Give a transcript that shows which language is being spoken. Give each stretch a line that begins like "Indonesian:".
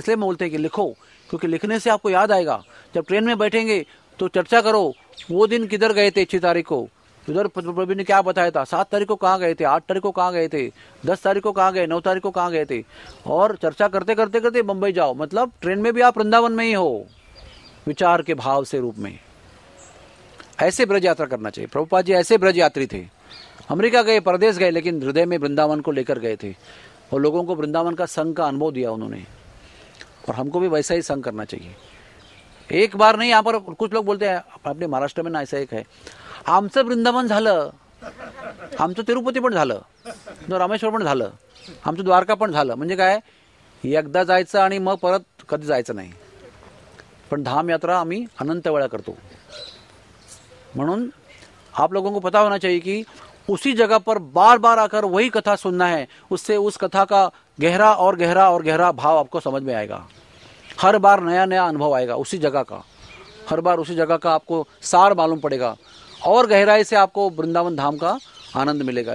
Hindi: इसलिए मैं बोलते हैं कि लिखो, क्योंकि लिखने से आपको याद आएगा। जब ट्रेन में बैठेंगे तो चर्चा करो, वो दिन किधर गए थे, 6 तारीख को उधर प्रभु ने क्या बताया था, 7 तारीख को कहाँ गए थे, 8 तारीख को कहाँ गए थे, 10 तारीख को कहाँ गए, 9 तारीख को कहाँ गए थे, और चर्चा करते करते करते मुंबई जाओ, मतलब ट्रेन में भी आप वृंदावन में ही हो विचार के भाव से रूप में। ऐसे ब्रज यात्रा करना चाहिए। प्रभुपाद जी ऐसे ब्रज यात्री थे, अमेरिका गए, परदेश गए, लेकिन हृदय में वृंदावन को लेकर गए थे, और लोगों को वृंदावन का संग का अनुभव दिया उन्होंने, और हमको भी वैसा ही संग करना चाहिए। एक बार नहीं, यहाँ पर कुछ लोग बोलते हैं अपने महाराष्ट्र में ना ऐसा एक है,
Marathi: आमचं वृंदावन झालं, आमचं तिरुपती पण झालं, रामेश्वर पण झालं, आमचं द्वारका पण झालं, म्हणजे काय, एकदा जायचं आणि मग परत कधी जायचं नाही, पण धाम यात्रा आम्ही अनंत वेळा करतो। म्हणून
Hindi: आप लोगों को पता होना चाहिए कि उसी जगह पर बार बार आकर वही कथा सुनना है, उससे उस कथा का गहरा और गहरा और गहरा भाव आपको समझ में आएगा, हर बार नया नया अनुभव आएगा उसी जगह का, हर बार उसी जगह का आपको सार मालूम पड़ेगा, और गहराई से आपको वृंदावन धाम का आनंद मिलेगा।